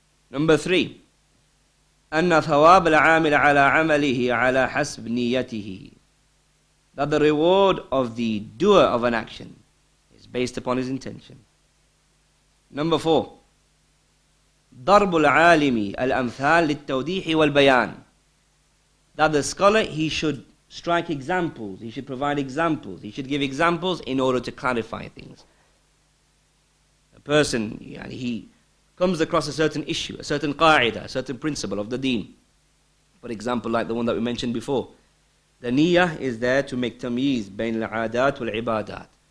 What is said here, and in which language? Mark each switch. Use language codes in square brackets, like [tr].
[en] Number three, [ar] أن ثواب العامل على عمله على حسب نيته. [en] That the reward of the doer of an action is based upon his intention. Number four, [ar] ضرب العالم الأمثال للتوضيح والبيان. [en] That the scholar, he should strike examples, he should provide examples, he should give examples in order to clarify things. Person, he comes across a certain issue, a certain qa'ida, a certain principle of the deen. For example, like the one that we mentioned before, the niyyah is there to make [ar] tamyiz bain al-'adat wal-'ibadat.